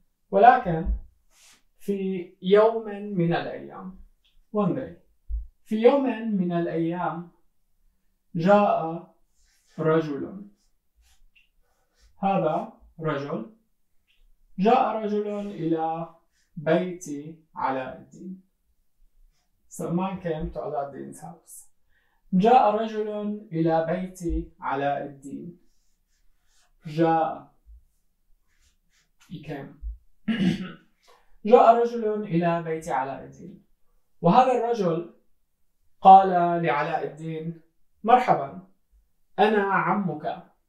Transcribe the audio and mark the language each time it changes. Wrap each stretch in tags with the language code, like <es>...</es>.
<ar>ولكن في يوم من الأيام،</ar> <en>one day،</en> <ar>في يوم من الأيام جاء رجل. هذا رجل، جاء رجل إلى بيت علاء الدين.</ar> <en>So man came to Aladdin's house.</en> <ar>جاء رجل إلى بيت علاء الدين. جاء.</ar> <en>He came.</en> <ar>جاء رجل إلى بيت علاء الدين. وهذا الرجل قال لعلاء الدين: مرحبا، أنا عمك.</ar>